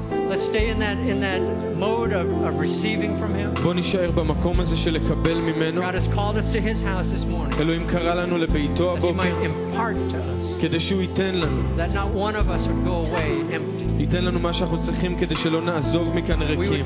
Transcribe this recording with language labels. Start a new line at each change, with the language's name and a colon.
English: Let's stay in that mode of receiving from him.
Hebrew: בוא נשאר במקום הזה של לקבל ממנו.
English: God has called us to his house this morning.
Hebrew: אלוהים קרא לנו לביתו הבוקר.
English: That he might impart to us.
Hebrew: כדי שהוא ייתן לנו.
English: That not one of us would go away empty.
Hebrew: ייתן לנו מה שאנחנו צריכים כדי שלא נעזוב מכאן ריקים.